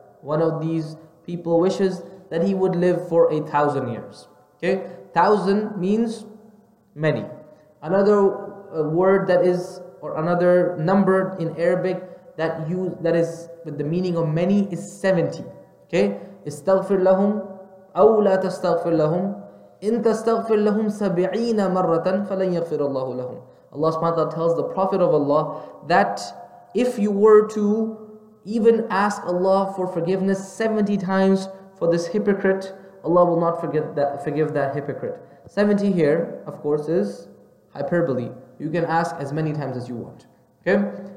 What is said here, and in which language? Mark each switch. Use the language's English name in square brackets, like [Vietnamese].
[English] One of these people wishes that he would live for 1,000 years. Okay, 1,000 means many. Another word that is, or another number in Arabic that use, that is with the meaning of many, is 70. [Arabic] Okay, استغفر لهم أو لا تستغفر لهم إن تستغفر لهم سبعين مرة فلن يغفر الله لهم. [English] Allah subhanahu wa ta'ala tells the Prophet of Allah that if you were to even ask Allah for forgiveness 70 times for this hypocrite, Allah will not forgive that hypocrite. 70 here, of course, is hyperbole. You can ask as many times as you want. Okay.